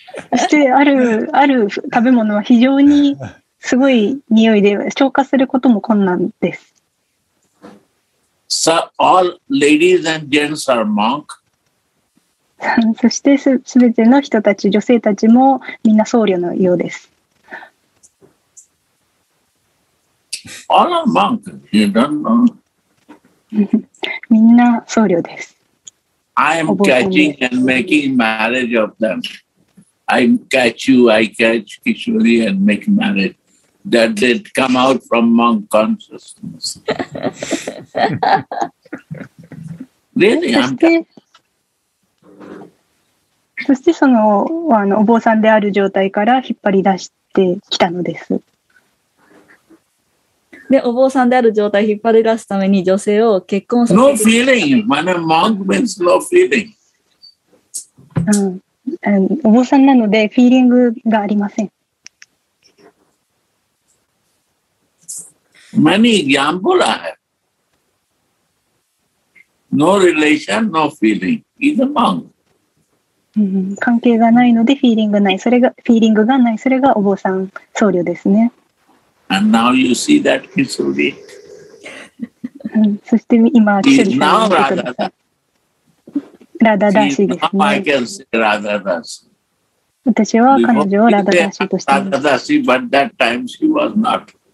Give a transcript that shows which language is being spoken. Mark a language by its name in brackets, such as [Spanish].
[Japanese] そしてある食べ物は非常にすごい匂いで消化することも困難です。 [English] So all ladies and gents are monk. [Japanese] そしてすべての人たち、女性たちもみんな僧侶のようです。 [English] All are monk. You don't know. [Japanese] みんな僧侶です。 [English] I am catching and making marriage of them. I catch you, I catch Kishori and make marriage. That did come out from monk consciousness. really, I'm [Japanese] そしてそのお坊さんである状態から引っ張り出してきたのです。で、お坊さんである状態引っ張り出すために女性を結婚させ [English] る。No feeling. When a monk means no feeling. [Japanese] お坊さんなのでフィーリングがありません。 [English] Many example I have. No relation, no feeling. He's a monk. [Japanese] 関係がないのでフィーリングない。それがフィーリングがない。それがお坊さん、僧侶ですね。 [English] And now you see that he's a monk. [Japanese] そして今、 [English] he's now Radha-dasa. [Japanese] Radha-dasa ですね。 [English] Now I can say Radha-dasa. [Japanese] 私は彼女を Radha-dasa としています [English] Radha-dasa, but that time she was not.